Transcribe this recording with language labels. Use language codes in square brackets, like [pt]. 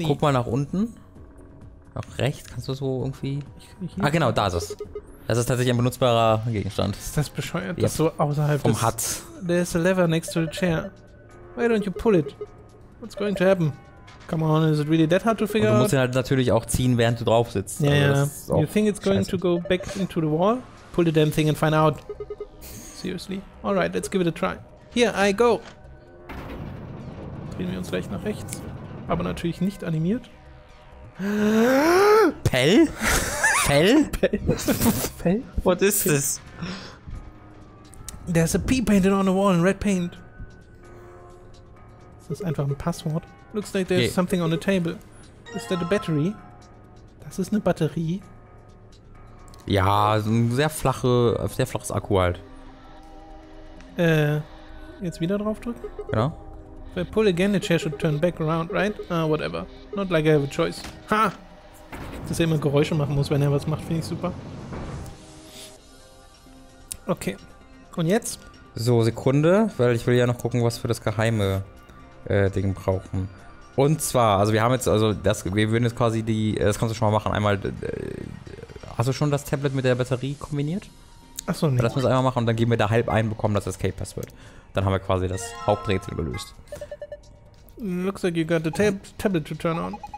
[de] E. Guck mal nach unten. Nach rechts kannst du so irgendwie... Ah genau, da ist es. Das ist tatsächlich ein benutzbarer Gegenstand. Ist das bescheuert, dass so außerhalb vom Hut. [en] There's a lever next to the chair. Why don't you pull it? What's going to happen? Come on, is it really that hard to figure out? [de] Du musst ihn halt natürlich auch ziehen, während du drauf sitzt. Ja, also [en] you think it's going to go back into the wall? Pull the damn thing and find out. Seriously? Alright, let's give it a try. Here, I go! [de] Drehen wir uns gleich nach rechts. Aber natürlich nicht animiert. Pell? Fell? Fell? [en] What is this? There's a P painted on the wall in red paint. [de] Ist das einfach ein Passwort? [en] Looks like there's something on the table. Is that a battery? [de] Das ist eine Batterie. Ja, ein sehr flaches Akku halt. Jetzt wieder draufdrücken? Genau. [en] If I pull again, the chair should turn back around, right? Whatever. Not like I have a choice. Ha! [de] Dass er immer Geräusche machen muss, wenn er was macht, finde ich super. Okay. Und jetzt? So, Sekunde, weil ich will ja noch gucken, was für das geheime Ding brauchen. Und zwar, also wir haben jetzt, also das, wir würden jetzt quasi die, das kannst du schon mal machen, einmal, hast du schon das Tablet mit der Batterie kombiniert? Achso, nee. Lass uns einmal machen und dann geben wir da halb ein, bekommen das Escape Password. Dann haben wir quasi das Haupträtsel gelöst. [en] Looks like you got the tablet to turn on.